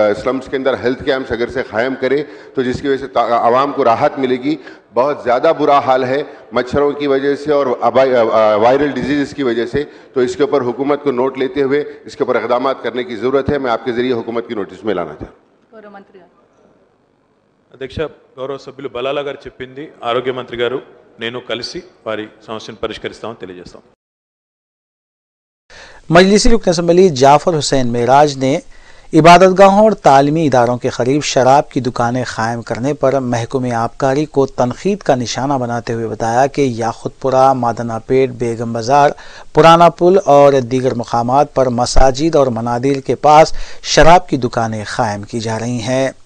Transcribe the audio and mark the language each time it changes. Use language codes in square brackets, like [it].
[ur] Slums کے اندر health campus اگر سے قائم کرے تو جس کی وجہ سے عوام کو راحت ملے گی۔ بہت زیادہ برا حال ہے مچھروں کی وجہ سے اور وائرل ڈیزیز کی وجہ سے، تو اس کے اوپر حکومت کو نوٹ لیتے ہوئے اس کے اوپر اقدامات کرنے کی ضرورت ہے۔ میں آپ کے ذریعے حکومت کی نوٹس میں لانا چاہوں۔ [te] అధ్యక్ష గౌరవ సభ్యులు బలాలా గారు చెప్పింది, ఆరోగ్య మంత్రి గారు నేను కలిసి వారి సమస్యను పరిష్కరిస్తామని తెలియజేస్తాం۔ [ur] మజ్లిసి రుక్న అసెంబ్లీ జాఫర్ హుసేన్ మిరాజ్ నే عبادت گاہوں اور تعلیمی اداروں کے قریب شراب کی دکانیں قائم کرنے پر محکمہ آبکاری کو تنقید کا نشانہ بناتے ہوئے بتایا کہ یاخت پورہ، مادنہ پیٹ، بیگم بازار، پرانا پل اور دیگر مقامات پر مساجد اور منادر کے پاس شراب کی دکانیں قائم کی جا رہی ہیں۔